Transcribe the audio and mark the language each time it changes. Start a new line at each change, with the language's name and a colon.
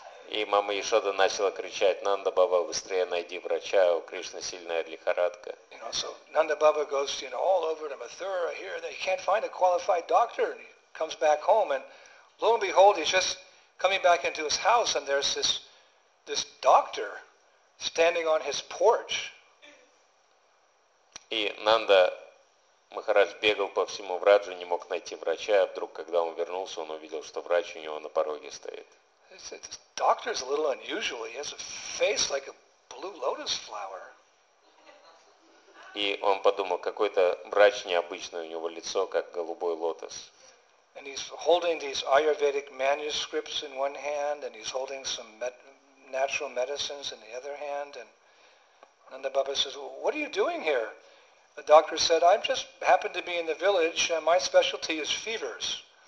Russian: И мама Яшода начала кричать: Нанда Баба, быстрее найди врача, у Кришны сильная лихорадка.
English: Нанда Баба goes, you know, all over to Mathura, here, they can't find a qualified doctor, and he comes back home and lo and behold, he's just coming back into his house and there's this doctor standing on his porch.
Russian: И Нанда Махарадж бегал по всему Враджу, не мог найти врача, а вдруг, когда он вернулся, он увидел, что врач у него на пороге стоит.
English: This doctor is a little unusual. He has a face like a blue lotus flower.
Russian: И он подумал, какой-то врач необычный, у него лицо как голубой лотос.
English: And he's holding these Ayurvedic manuscripts in one hand, and he's holding some natural medicines in the other hand. And Nanda Baba says, well, what are you doing here? The doctor said, I just happened to be in the village, and my specialty is fevers.